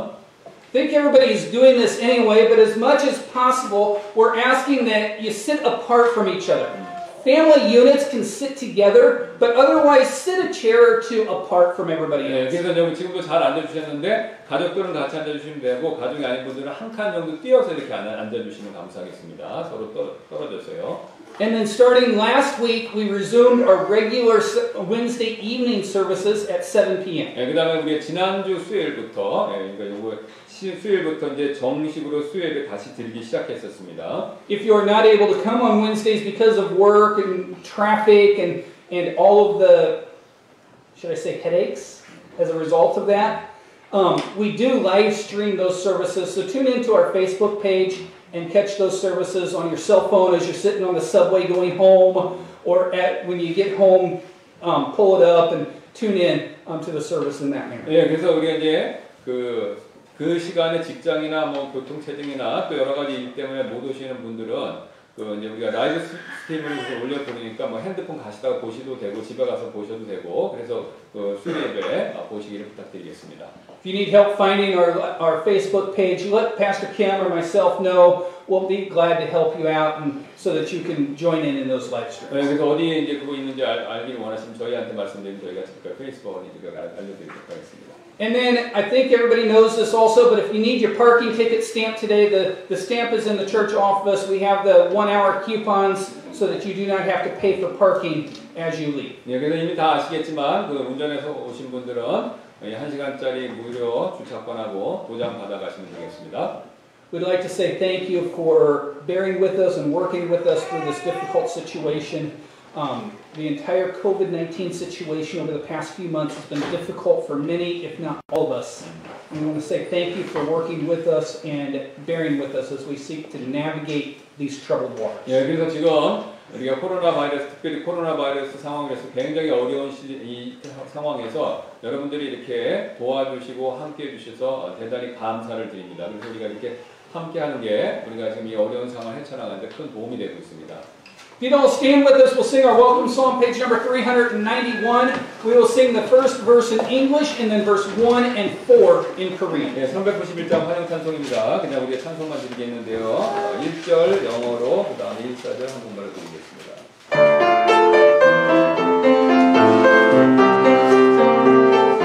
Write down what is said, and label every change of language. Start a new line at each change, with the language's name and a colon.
English: I think everybody is doing this anyway, but as much as possible, we're asking that you sit apart from each other. Family units can sit together, but otherwise sit a chair or two apart from everybody else.
Korean: 네, 그래서 여러분 지금도 잘 앉아주셨는데 가족들은 같이 앉아주시면 되고 가족이 아닌 분들은 한 칸 정도 뛰어서 이렇게 앉아주시면 감사하겠습니다. 서로 떨어져서요.
English: And then starting last week, we resumed our regular Wednesday evening services at 7 p.m.
Korean: 네, 그다음에 우리 지난주 수요일부터 그러니까 요거 수요일부터 이제 정식으로 수요일에 다시 드리기 시작했었습니다.
English: If you are not able to come on Wednesdays because of work and traffic and all of the should I say, headaches as a result of that. We do live stream those services, so tune into our Facebook page and catch those services on your cell phone as you're sitting on the subway going home, or at when you get home, pull it up and tune in to the service in that manner.
Korean: 예, 그래서 우리가 이제 그 시간에 직장이나 뭐 교통체 등이나 또 여러 가지 일 때문에 못 오시는 분들은 그 이제 우리가 라이브 스트림을 올려드리니까 뭐 핸드폰 가시다가 보셔도 되고 집에 가서 보셔도 되고 그래서 그 수요일에 보시기를 부탁드리겠습니다.
English: If you need help finding our Facebook page, let Pastor Kim or myself know. We'll be glad to help you out and so that you can join in those live streams.
Korean: 네, 그래서 어디에 이제 그거 있는지 알기를 원하시면 저희한테 말씀드리면 저희가 지금 페이스북을 이제 알려드리도록 하겠습니다.
English: And then I think everybody knows this also, but if you need your parking ticket stamped today, the stamp is in the church office. We have the 1 hour coupons so that you do not have to pay for parking as you leave.
Korean: 예, 그래서 이미 다 아시겠지만 그 운전해서 오신 분들은 한 시간짜리 무료 주차권하고 도장 받아가시면 되겠습니다.
English: We'd like to say thank you for bearing with us and working with us through this difficult situation. The entire COVID-19 situation over the past few months has been difficult for many, if not all of us. We want to say thank you for working with us and bearing with us as we seek to navigate these troubled waters.
Korean: 예, 그래서 지금 우리가 코로나 바이러스, 특별히 코로나 바이러스 상황에서 굉장히 어려운 이 상황에서 여러분들이 이렇게 도와주시고 함께해 주셔서 대단히 감사를 드립니다. 그래서 우리가 이렇게 함께하는 게 우리가 지금 이 어려운 상황 헤쳐나가는 데 큰 도움이 되고 있습니다.
English: If you don't stand with us, we'll sing our welcome song, page number 391. We will sing the first verse in English and then verse 1 and 4 in Korean.
Korean: 예, 391장 환영 찬송입니다. 그냥 우리의 찬송만 드리겠는데요. 1절 영어로, 그 다음에 1사절 한국말로 드리겠습니다.